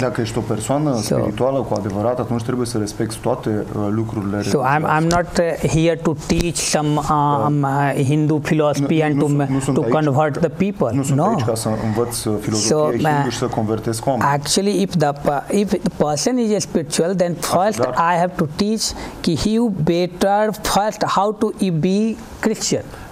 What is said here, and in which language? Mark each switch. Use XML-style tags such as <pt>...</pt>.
<ro>Dacă ești o persoană spirituală cu adevărat, atunci trebuie să respecti toate lucrurile.</ro> <en>So I'm not here to teach some Hindu philosophy and to convert the people.</en> <ro>Nu sunt aici ca să învăț filozofie hindu și să convertesc oameni.</ro> <en>Actually, if the person is spiritual, then first I have to teach ki he better first how to be Christian.</en>